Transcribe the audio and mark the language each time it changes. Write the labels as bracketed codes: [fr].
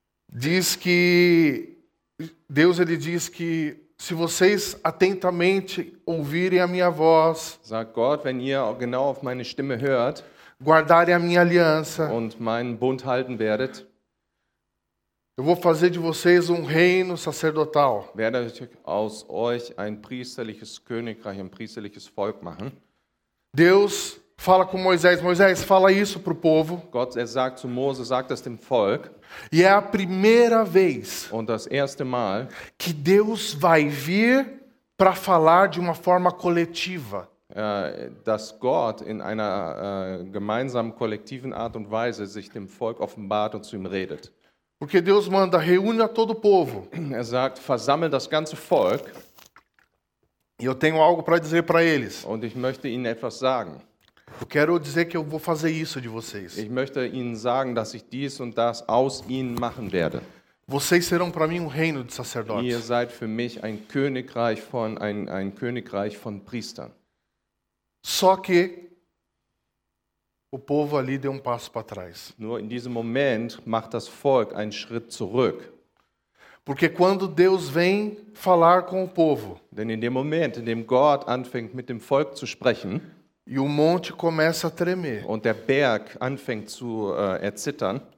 [pt] Deus diz que se vocês atentamente ouvirem a minha voz, [de] sagt Gott, wenn ihr genau auf meine Stimme hört, [pt] guardarem a minha aliança, [de] und meinen Bund halten werdet, [pt] eu vou fazer de vocês um reino sacerdotal, [de] werde ich aus euch ein priesterliches Königreich, ein priesterliches Volk machen. [pt] Deus fala com Moisés, Moisés fala isso pro povo. [de] Gott, er sagt zu Mose, sagt das dem Volk. [pt] E é a primeira vez [de] und das erste Mal, [pt] que Deus vai vir para falar de uma forma coletiva. [de] Dass Gott in einer gemeinsamen kollektiven Art und Weise sich dem Volk offenbart und zu ihm redet. [pt] Porque Deus manda, reúne a todo o povo. [de] Er sagt, versammelt das ganze Volk. [pt] E eu tenho algo para dizer para eles. [de] Und ich möchte ihnen etwas sagen. [pt] Eu quero dizer que eu vou fazer isso de vocês. [de] Ich möchte ihnen sagen, dass ich dies und das aus ihnen machen werde. [pt] Vocês serão para mim um reino de sacerdotes. [de] Ihr seid für mich ein Königreich von Priestern. [pt] Só que o povo ali deu um passo para trás. [de] Nur in diesem Moment macht das Volk einen Schritt zurück. [pt] Porque quando Deus vem falar com o povo, [de] denn in dem Moment, in dem Gott anfängt mit dem Volk zu sprechen, [pt] e o monte começa a tremer. [de] Und der Berg anfängt zu erzittern.